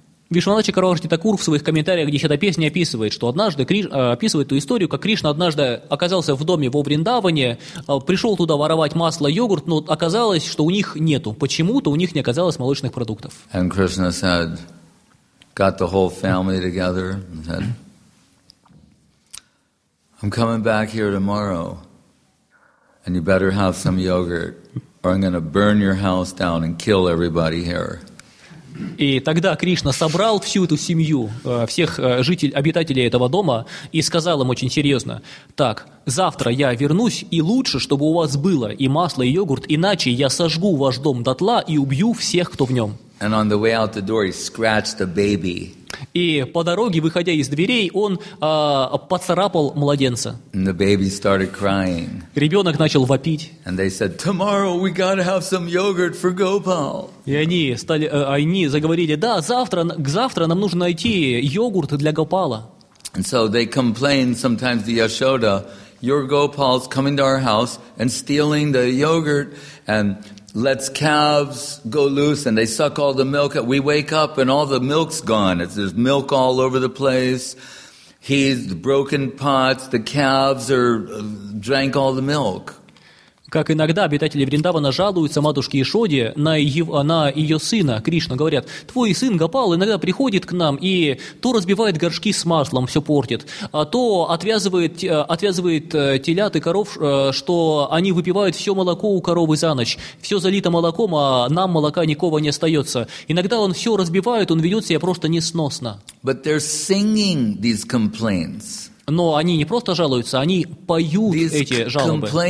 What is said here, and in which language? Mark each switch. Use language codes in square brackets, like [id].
[ru] Вишванатха Чакраварти Такур в своих комментариях, где эта песня описывает, что однажды, описывает ту историю, как Кришна однажды оказался в доме во Вриндаване, пришел туда воровать масло, йогурт, но оказалось, что у них нету. Почему-то у них не оказалось молочных продуктов. [en] And Krishna said, got the whole family together and said, I'm coming back here tomorrow and you better have some yogurt or I'm going to burn your house down and kill everybody here. [ru] И тогда Кришна собрал всю эту семью, всех жителей, обитателей этого дома и сказал им очень серьезно: так, завтра я вернусь и лучше, чтобы у вас было и масло, и йогурт, иначе я сожгу ваш дом дотла и убью всех, кто в нем. [en] And on the way out the door, he scratched a baby. [ru] И по дороге, выходя из дверей, он поцарапал младенца. [en] And the baby started crying. [ru] Ребенок начал вопить. [en] And they said, "Tomorrow we gotta have some yogurt for Gopal." [ru] И они заговорили: "Да, завтра нам нужно найти йогурт для Гопала." [en] And so they complained sometimes to Yashoda, "Your Gopal's coming to our house and stealing the yogurt and." Let's calves go loose and they suck all the milk. We wake up and all the milk's gone. There's milk all over the place. He's broken pots. The calves drank all the milk. [ru] Как иногда обитатели Вриндавана жалуются матушке Ишоде на ее сына Кришну. Говорят, твой сын Гопал иногда приходит к нам и то разбивает горшки с маслом, все портит, а то отвязывает телят и коров, что они выпивают все молоко у коровы за ночь. Все залито молоком, а нам молока никого не остается. Иногда он все разбивает, он ведет себя просто несносно. [en] But they're singing these complaints. [ru] Но они не просто жалуются, они поют эти жалобы.